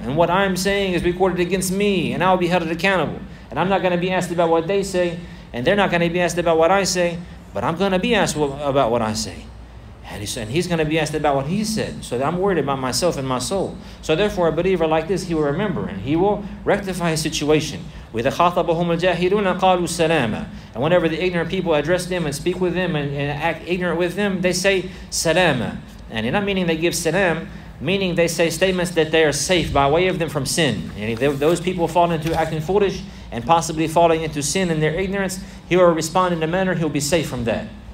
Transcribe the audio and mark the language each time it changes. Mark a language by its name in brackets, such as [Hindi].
[English] And what I'm saying is recorded against me, and I'll be held accountable. And I'm not going to be asked about what they say, and they're not going to be asked about what I say, but I'm going to be asked about what I say. And he's going to be asked about what he said. So I'm worried about myself and my soul. So therefore, a believer like this, he will remember, and he will rectify his situation. [Arabic] With خَاطَبَهُمُ الْجَاهِلُونَ قَالُوا سَلَامًا. [English] And whenever the ignorant people address them and speak with them and act ignorant with them, they say salama. And not meaning they give salam, meaning they say statements that they are safe by way of them from sin. And if those people fall into acting foolish and possibly falling into sin in their ignorance, he will respond in a manner he'll be safe from that.